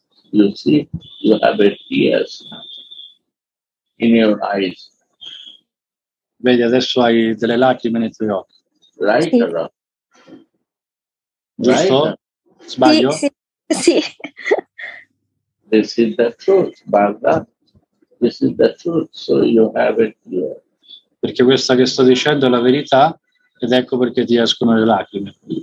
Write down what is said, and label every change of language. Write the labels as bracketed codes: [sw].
[en] You see, you have tears in your eyes. [it] Vedi, adesso hai delle lacrime nei tuoi occhi. Right, sì. Giusto? Sbaglio? Sì. [en] This is the truth, Barbara. This is the truth, so you have it here. [it] Perché questa che sto dicendo è la verità ed ecco perché ti escono le lacrime.